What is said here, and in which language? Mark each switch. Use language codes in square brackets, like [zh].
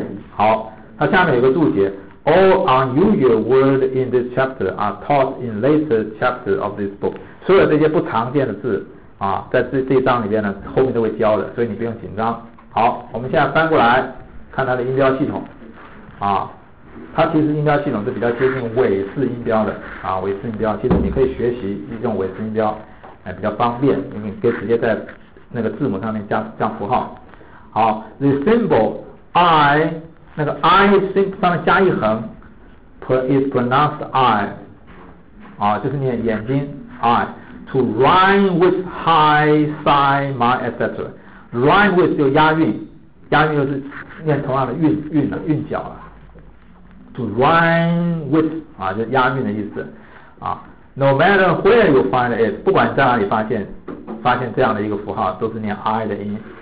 [en] 好， [zh] 它下面有个注解 [en] All unusual words in this chapter are taught in later chapters of this book. [zh] 所有这些不常见的字啊，在这一章里面呢，后面都会教的，所以你不用紧张。好，我们现在翻过来看它的音标系统啊，它其实音标系统是比较接近韦氏音标的啊，韦氏音标其实你可以学习用韦氏音标，哎，比较方便，因为你可以直接在那个字母上面加符号。好 ， [en] the symbol I [zh] 那个 I 上面加一横 ， [en] is pronounced I [zh] 啊，就是念眼睛 I。 [en] To rhyme with high, sigh, my, etc. [zh] Rhyme with 就押韵，押韵就是念同样的韵了，韵脚了。 To rhyme with 啊，就押韵的意思啊。 [en] No matter where you find it, [zh] 不管在哪里发现这样的一个符号，都是念 I 的音。